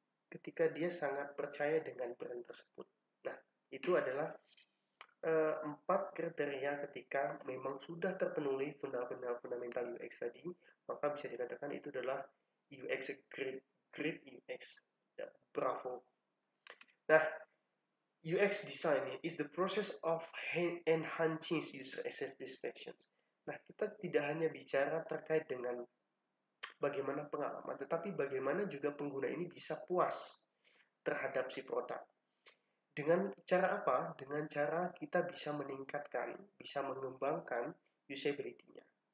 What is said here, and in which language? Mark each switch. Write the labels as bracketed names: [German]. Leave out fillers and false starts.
[Indonesian] Ketika dia sangat percaya dengan brand tersebut. Nah, itu adalah empat kriteria ketika memang sudah terpenuhi fundamental UX tadi, maka bisa dikatakan itu adalah UX great UX, ya, bravo. [English] Nah, UX design is the process of enhancing user satisfaction. [Indonesian] Nah, kita tidak hanya bicara terkait dengan bagaimana pengalaman, tetapi bagaimana juga pengguna ini bisa puas terhadap si produk. Dengan cara apa? Dengan cara kita bisa meningkatkan, bisa mengembangkan usability-nya.